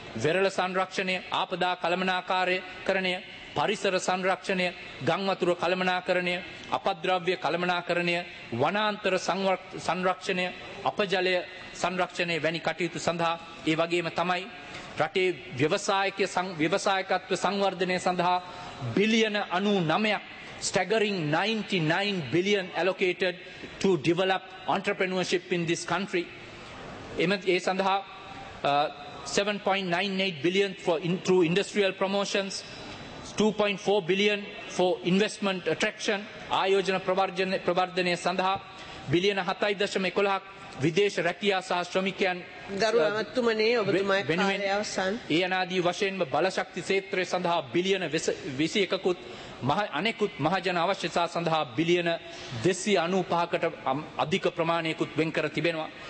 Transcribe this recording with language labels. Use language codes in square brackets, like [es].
[si] වෙරළ සංරක්ෂණය, ආපදා කළමනාකාරීකරණය, පරිසර සංරක්ෂණය, ගම් වතුර කළමනාකරණය, අපද්‍රව්‍ය කළමනාකරණය, වනාන්තර සංරක්ෂණය, අපජලය සංරක්ෂණය වැනි කටයුතු සඳහා, ඒ වගේම තමයි රටේ ව්‍යවසායකත්ව සංවර්ධනය සඳහා බිලියන 99ක් [en] staggering 99 billion allocated to develop entrepreneurship in this country. [si] ඒ සඳහා [en] 7.98 billion through industrial promotions, 2.4 billion for investment attraction, [si] ආයෝජන ප්‍රවර්ධනය සඳහා බිලියන 7.11ක් විදේශ රැකියා සහ ශ්‍රමිකයන් ගරු අමාත්‍යමනේ ඔබතුමාගේ කාර්යාලය අවසන්. ඒ අනාදී වශයෙන්ම බලශක්ති ක්ෂේත්‍රය සඳහා බිලියන 21කුත් අනෙකුත් මහජන අවශ්‍යතා සඳහා බිලියන 295කට අධික ප්‍රමාණයකුත් වෙන් කර තිබෙනවා.